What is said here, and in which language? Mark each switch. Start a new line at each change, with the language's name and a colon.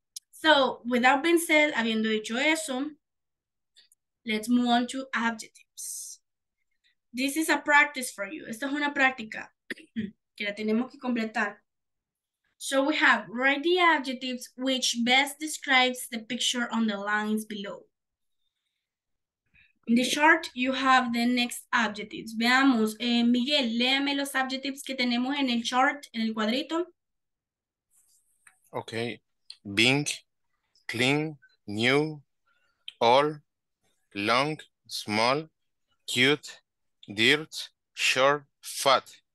English: So, with that being said,
Spanish: habiendo dicho eso,
English: let's move on to adjectives. This is a practice for you.
Spanish: Esta es una práctica que la tenemos que completar.
English: So we have, write the adjectives which best describes the picture on the lines below. In the chart, you have the next adjectives.
Spanish: Veamos, Miguel, léame los adjectives que tenemos en el chart, en el cuadrito.
English: Okay, big, clean, new, old, long, small, cute, dirt, short, fat.